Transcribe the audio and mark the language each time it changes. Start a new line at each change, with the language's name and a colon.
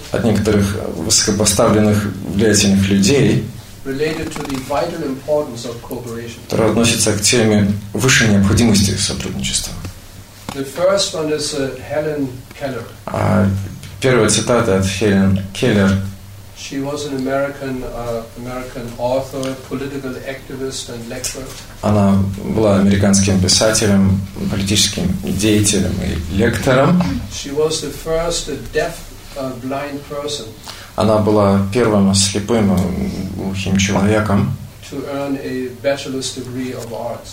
Russian: от некоторых высокопоставленных влиятельных людей,
English: related to the vital importance of cooperation,
Russian: которые относятся к теме высшей необходимости сотрудничества.
English: The first one is Helen Keller.
Russian: Первая цитата от Хелен Келлер.
English: She was an American American author, political activist, and lecturer.
Russian: Она была американским писателем, политическим деятелем и лектором.
English: She was the first deaf blind person.
Russian: Она была первым слепым глухим человеком,
English: to earn a bachelor's degree of arts,